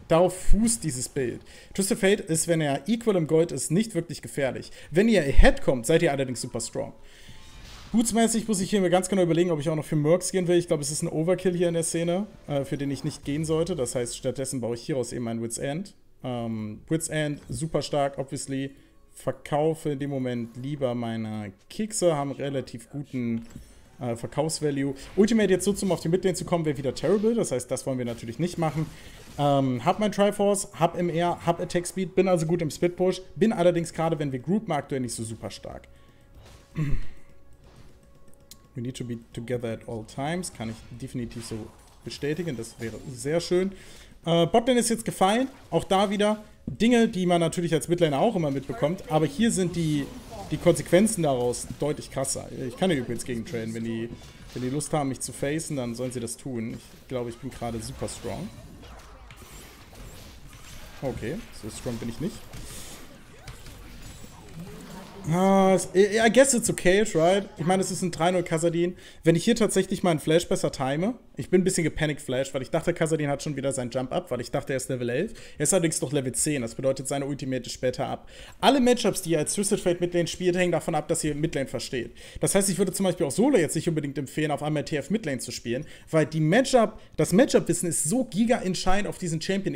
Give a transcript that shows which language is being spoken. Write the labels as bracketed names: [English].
[German] Darauf fußt dieses Bild. Twisted Fate ist, wenn er equal im Gold ist, nicht wirklich gefährlich. Wenn ihr ahead kommt, seid ihr allerdings super strong. Bootsmäßig muss ich hier mir ganz genau überlegen, ob ich auch noch für Mercs gehen will. Ich glaube, es ist ein Overkill hier in der Szene, für den ich nicht gehen sollte. Das heißt, stattdessen baue ich hieraus eben ein Wits End. Wits End, super stark, obviously. Verkaufe in dem Moment lieber meine Kekse, haben relativ guten Verkaufsvalue. Ultimate jetzt so, um auf die Midlane zu kommen, wäre wieder terrible. Das heißt, das wollen wir natürlich nicht machen. Hab mein Triforce, hab MR, hab Attack Speed, bin also gut im Split Push. Bin allerdings gerade, wenn wir groupen, aktuell nicht so super stark. [English] We need to be together at all times. [German] Kann ich definitiv so bestätigen. Das wäre sehr schön. Botlane ist jetzt gefallen. Auch da wieder Dinge, die man natürlich als Midlaner auch immer mitbekommt. Aber hier sind die Konsequenzen daraus deutlich krasser. Ich kann ja übrigens gegen trainen. Wenn die Lust haben, mich zu facen, dann sollen sie das tun. Ich glaube, ich bin gerade super strong. Okay, so strong bin ich nicht. [English] Ah, I guess it's okay, right? [German] Ich meine, es ist ein 3-0 Kassadin. Wenn ich hier tatsächlich meinen Flash besser time, ich bin ein bisschen gepanickt Flash, weil ich dachte, Kassadin hat schon wieder seinen Jump-Up, weil ich dachte, er ist Level 11. Er ist allerdings doch Level 10, das bedeutet, seine Ultimate ist später ab. Alle Matchups, die ihr als Twisted Fate Midlane spielt, hängen davon ab, dass ihr Midlane versteht. Das heißt, ich würde zum Beispiel auch Solo jetzt nicht unbedingt empfehlen, auf einmal TF Midlane zu spielen, weil das Matchup-Wissen ist so giga-entscheidend auf diesen Champion.